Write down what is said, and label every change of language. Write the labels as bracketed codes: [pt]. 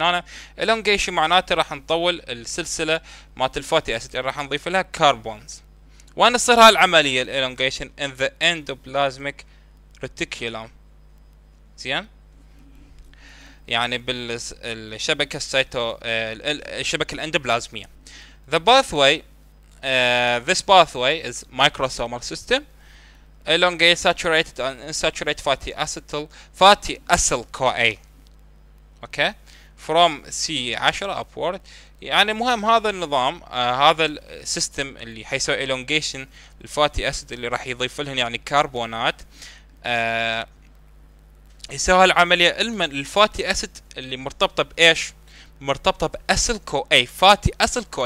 [ar] هنا elongation معناته راح نطول السلسله مالت الفاتي اسيد اللي راح نضيف لها كاربونز. وين تصير هالعمليه الالونجيشن؟ ان ذا اندوبلازميك ريتيكولوم. زين يعني بالشبكه السيتو الشبكه الاندوبلازميه. [en] The pathway this pathway is microsomal system elongate saturated and unsaturated fatty acetyl CoA okay from C10 upward. [ar] يعني مهم هذا النظام هذا السيستم اللي حيسوي elongation الفاتي اسيد اللي راح يضيف لهن يعني كربونات يسوي هالعملية المن الفاتي اسيد اللي مرتبطة بايش؟ مرتبطة بأسل كو اي فاتي أسل كو.